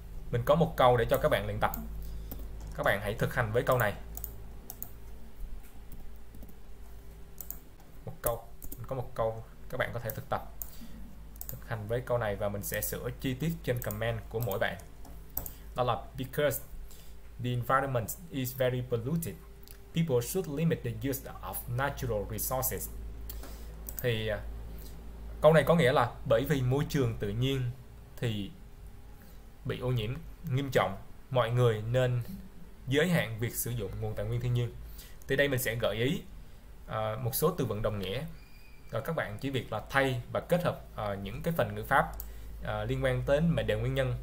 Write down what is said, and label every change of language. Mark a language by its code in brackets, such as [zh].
[vi] Mình có một câu để cho các bạn luyện tập. Các bạn hãy thực hành với câu này. Một câu, mình có một câu các bạn có thể thực tập. Thực hành với câu này và mình sẽ sửa chi tiết trên comment của mỗi bạn. Đó là [en] because the environment is very polluted, people should limit the use of natural resources. [vi] Thì câu này có nghĩa là bởi vì môi trường tự nhiên thì bị ô nhiễm nghiêm trọng, mọi người nên giới hạn việc sử dụng nguồn tài nguyên thiên nhiên. Từ đây mình sẽ gợi ý một số từ vựng đồng nghĩa, rồi các bạn chỉ việc là thay và kết hợp những cái phần ngữ pháp liên quan đến mệnh đề nguyên nhân.